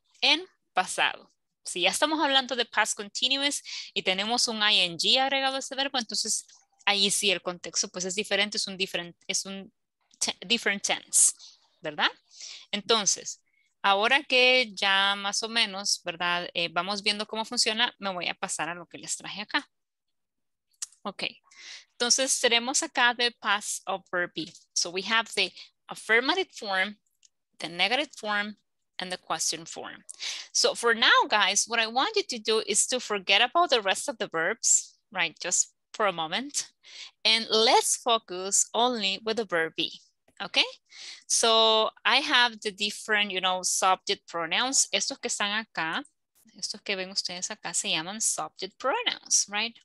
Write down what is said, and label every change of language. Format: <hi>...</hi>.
<es>En pasado. Si ya estamos hablando de past continuous y tenemos un ing agregado a ese verbo, entonces ahí sí el contexto pues es diferente,</es> <en>different tense,</en> <es>¿verdad? Entonces, ahora que ya más o menos, ¿verdad? Vamos viendo cómo funciona, me voy a pasar a lo que les traje acá. Ok, entonces tenemos acá</es> <en>the past of verb be. So we have the affirmative form, the negative form, and the question form. So for now, guys, what I want you to do is to forget about the rest of the verbs, right? Just for a moment. And let's focus only with the verb be. Okay, so I have the different, you know, subject pronouns.</en> <es>Estos que están acá, estos que ven ustedes acá, se llaman subject pronouns, right?</es>